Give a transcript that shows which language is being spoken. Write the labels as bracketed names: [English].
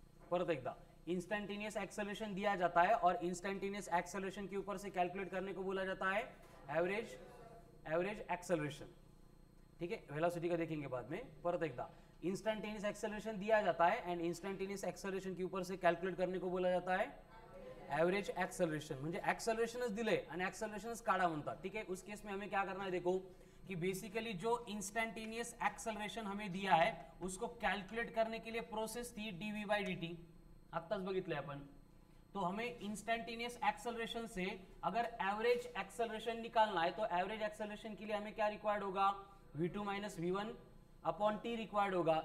[Marathi] परत एकदा, [Hindi] instantaneous acceleration दिया जाता है और इंस्टेंटेनियस एक्सेलरेशन के ऊपर से कैलकुलेट करने को बोला जाता है एवरेज एक्सेलरेशन. ठीक है, वेलोसिटी का देखेंगे बाद में. [Marathi] परत एकदा, [Hindi] इंस्टेंटेनियस एक्सेलरेशन दिया जाता है एंड इंस्टेंटेनियस एक्सेलरेशन के ऊपर से कैलकुलेट करने को बोला जाता है एवरेज एक्सेलरेशन. [Marathi] म्हणजे एक्सेलरेशनच दिले आणि एक्सेलरेशनच काढा म्हणतात. ठीक आहे, [Hindi] उस केस में हमें क्या करना है, देखो कि बेसिकली जो इंस्टेंटेनियस एक्सेलरेशन हमें दिया है उसको कैलकुलेट करने के लिए प्रोसेस थी dv/dt, [Marathi] आताच बघितले आपण. [Hindi] तो हमें इंस्टेंटेनियस एक्सेलरेशन से अगर एवरेज एक्सेलरेशन निकालना है तो एवरेज एक्सेलरेशन के लिए हमें क्या रिक्वायर्ड होगा, v2 - v1/t रिक्वायर्ड होगा.